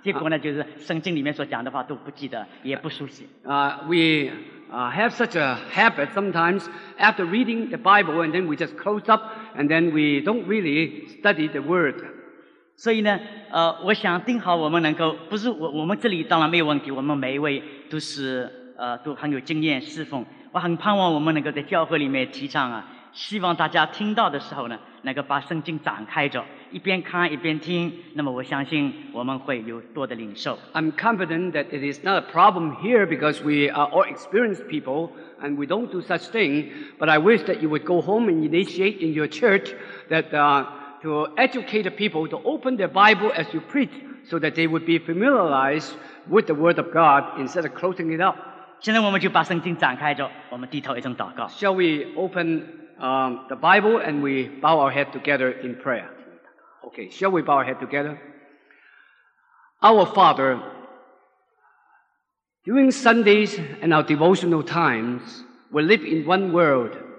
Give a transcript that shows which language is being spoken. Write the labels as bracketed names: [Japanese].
[Chinese] 我发现有的时候，我们讲到的时候呢，把请大家看圣经啊，大家就把圣经翻开，读完了之后马上合起来，把圣经放回去。结果呢，就是圣经里面所讲的话都不记得，也不熟悉。 [English] We have such a habit sometimes after reading the Bible, and then we just close up, and then we don't really study the word. [Chinese] 所以呢，我想定好我们能够，不是我们这里当然没有问题，我们每一位都很有经验侍奉。我很盼望我们能够在教会里面提倡，希望大家听到的时候呢，能够把圣经展开着，一边看一边听。那么我相信我们会有多的领受。 [English] I'm confident that it is not a problem here because we are all experienced people and we don't do such thing. But I wish that you would go home and initiate in your church that to educate the people to open their Bible as you preach so that they would be familiarized with the Word of God instead of closing it up. [Chinese] 现在我们就把圣经展开着，我们低头一声祷告。 [English] Shall we open the Bible and we bow our head together in prayer? Okay, shall we bow our head together? Our Father, during Sundays and our devotional times, we live in one world.